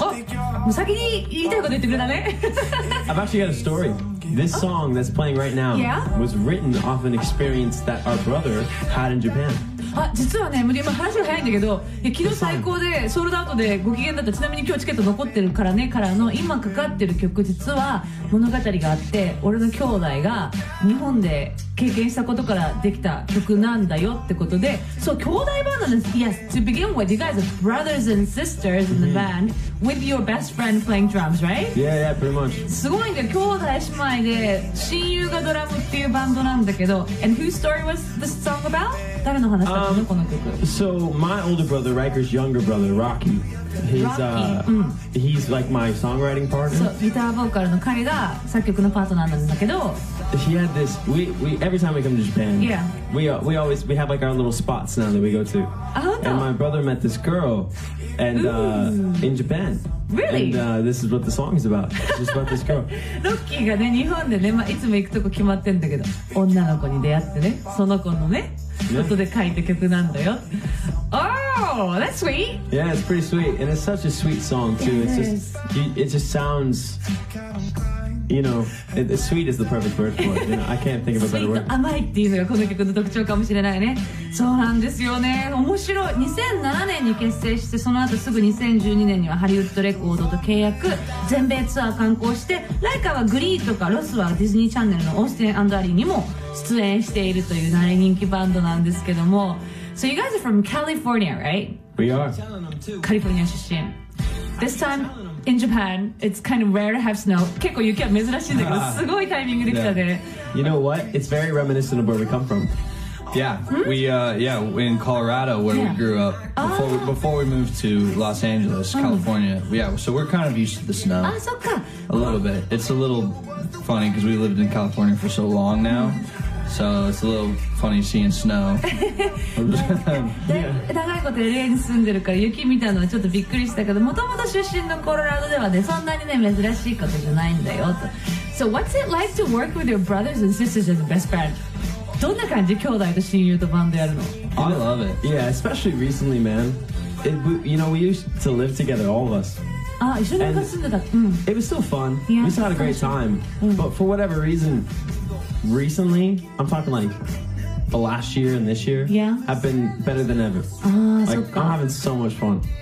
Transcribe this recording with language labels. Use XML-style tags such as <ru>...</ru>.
<ja>Oh, 先に言いたいこと言ってくれたね。</ja> <en>I've actually got a story. This song that's playing right now was written off an experience that our brother had in Japan.</en> <ja>実はね、無理、話が早いんだけど、昨日最高でソールドアウトでご機嫌だった。ちなみに今日チケット残ってるからね、からの今かかってる曲、実は物語があって、俺の兄弟が日本で経験したことからできた曲なんだよってことで、そう、兄弟バンドです。</ja> <en>Yes, to begin with, you guys are brothers and sisters in the band with your best friend playing drums, right? Yeah, yeah, pretty much.</en> <ja>すごいんだよ、兄弟姉妹で親友がドラムっていうバンドなんだけど。</ja> <en>And whose story was this song about? So my older brother, Riker's younger brother, Rocky, his, he's like my songwriting partner.</en> <ja>So, ギターボーカルの彼が作曲のパートナーなんだけど。</ja> <en>He had this, we, every time we come to Japan, we have like our little spots now that we go to. And my brother met this girl and, in Japan. Really? And this is what the song is about. It's just about this girl.</en> <ja>Rocky がね、日本でね、まあ、いつも行くとこ決まってんだけど、女の子に出会ってね、その子のね、音で書いた曲なんだよ。</ja> <en>Oh, that's sweet! Yeah, it's pretty sweet. And it's such a sweet song, too. It is. It just sounds... You know, sweet is the perfect word for it. You know, I can't think of a better word.</en> <ja>Sweet と甘いっていうのがこの曲の特徴かもしれないね。そうなんですよね。面白い。 2007年に結成して、その後すぐ2012年にはハリウッドレコードと契約、全米ツアー観光して、ライカはグリーとかロスはディズニーチャンネルのオースティン&アリーにも出演しているという大人気バンドなんですけども。</ja> <en>So you guys are from California, right? We are.</en> <ja>カリフォルニア出身。</ja> <en>This time... In Japan, it's kind of rare to have snow.</en> <ja>結構雪は珍しいんだけど、すごいタイミングで来たで。</ja> <en>You know what? It's very reminiscent of where we come from. Yeah, we, in Colorado, where we grew up, before we moved to Los Angeles, California. Yeah, so we're kind of used to the snow.</en> <ja>そっか。</ja> <en>A little bit. It's a little funny because we lived in California for so long now. So it's a little funny seeing snow.</en> <ja>で、長いこと LA に住んでるから雪見たのはちょっとびっくりしたけど、もともと出身のコロラドではね、そんなにね、珍しいことじゃないんだよと。</ja> <en>So what's it like to work with your brothers and sisters as a best friend?</en> <ja>どんな感じ、兄弟と親友とバンドやるの?</ja> <en>I love it. Yeah, especially recently, man. You know, we used to live together, all of us. And it was still fun. Yeah, we still had a great time. But for whatever reason, recently, I'm talking like the last year and this year, have been better than ever. I'm having so much fun.</en>